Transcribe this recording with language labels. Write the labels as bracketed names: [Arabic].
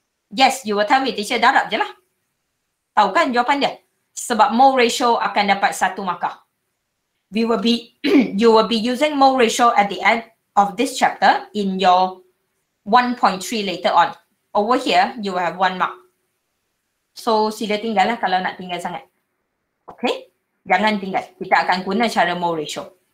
[English] Yes, you will tell me, teacher, [Malay] darab je lah. Tahu kan jawapan dia? Sebab mole ratio akan dapat satu markah. [English] We will be, you will be using mole ratio at the end of this chapter in your 1.3 later on. Over here, you will have one mark. So, [Malay] sila tinggal lah kalau nak tinggal sangat. Okay? Jangan tinggal. Kita akan guna cara mole ratio.